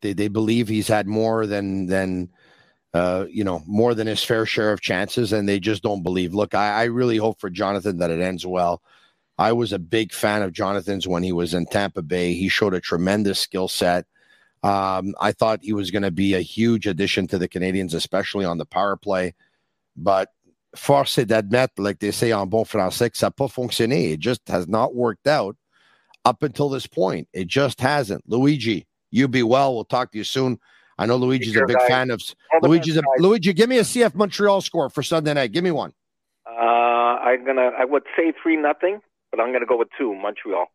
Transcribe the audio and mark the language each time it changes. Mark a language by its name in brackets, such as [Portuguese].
[English] They believe he's had more than more than his fair share of chances, and they just don't believe. Look, I really hope for Jonathan that it ends well. I was a big fan of Jonathan's when he was in Tampa Bay. He showed a tremendous skill set. I thought he was going to be a huge addition to the Canadiens, especially on the power play. [French] But force est d'admettre, [English] like they say [French] en bon français, que ça pas fonctionné. [English] It just has not worked out up until this point. It just hasn't. Luigi, you be well. We'll talk to you soon. I know Luigi's a big fan of Luigi's. Luigi, give me a CF Montreal score for Sunday night. Give me one. I would say 3-0, but I'm going to go with 2 Montreal.